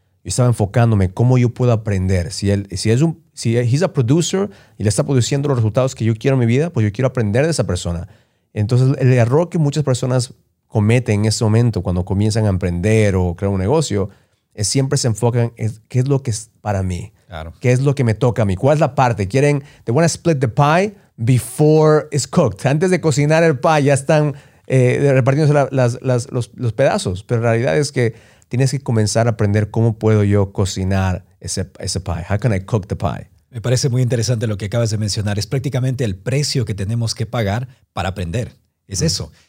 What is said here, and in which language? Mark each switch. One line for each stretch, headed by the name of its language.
Spanish: Yo estaba enfocándome en cómo yo puedo aprender. Si
English: he's a producer
Spanish: y le está produciendo los resultados que yo quiero en mi vida, pues yo quiero aprender de esa persona. Entonces, el error que muchas personas cometen en ese momento cuando comienzan a emprender o crear un negocio es siempre se enfocan en qué es lo que es para mí. Claro. ¿Qué es lo que me toca a mí? ¿Cuál es la parte?
English: They want to split the pie before it's cooked.
Spanish: Antes de cocinar el pie, ya están repartiéndose los pedazos. Pero la realidad es que tienes que comenzar a aprender cómo puedo yo cocinar ese pie.
English: How can I cook the pie?
Spanish: Me parece muy interesante lo que acabas de mencionar. Es prácticamente el precio que tenemos que pagar para aprender. Es eso.